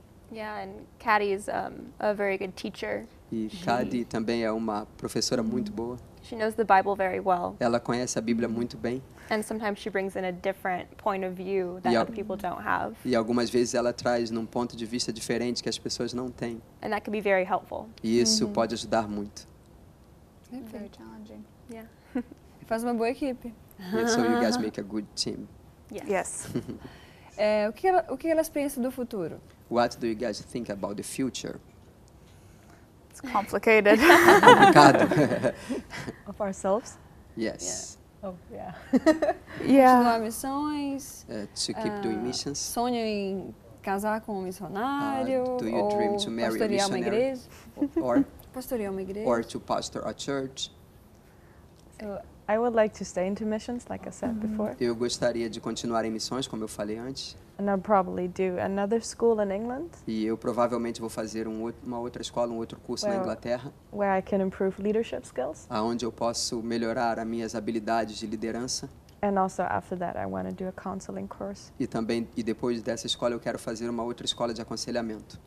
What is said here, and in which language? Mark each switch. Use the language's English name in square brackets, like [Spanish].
[English] Yeah, and Kati is a very good teacher. [Portuguese] E Kati também é uma professora muito boa. [English] She knows the Bible very well. [Portuguese] Ela conhece a Bíblia muito bem. [English] And sometimes she brings in a different point of view that other people don't have. [Portuguese] E algumas vezes ela traz num ponto de vista diferente que as pessoas não têm. [English] And that can be very helpful. [Portuguese] E isso pode ajudar muito. [English] Okay. Very challenging. Yeah. [Portuguese] Faz uma boa equipe. [English] Yeah, so you guys make a good team. Yes. [Portuguese] O que elas pensam do futuro? [English] What do you guys think about the future? It's complicated. [Portuguese] Complicado. [English] Of ourselves? Yes. Yeah. Oh, yeah. [Portuguese] Continuar missões. [English] To keep doing missions. [Portuguese] Sonho em casar com um missionário. [English] Do you dream to marry [Portuguese] pastorear [English] a missionary? [Portuguese] Uma igreja. [English] Or [Portuguese] pastorear uma igreja. [English] Or to pastor a church. So, I would like to stay into missions, like I said before. [Portuguese] Eu gostaria de continuar em missões, como eu falei antes. [English] And I'll probably do another school in England. [Portuguese] E eu provavelmente vou fazer uma outra escola, um outro curso na Inglaterra. [English] Where I can improve leadership skills. [Portuguese] Aonde eu posso melhorar as minhas habilidades de liderança. [English] And also after that I want to do a counseling course. [Portuguese] E depois dessa escola eu quero fazer uma outra escola de aconselhamento.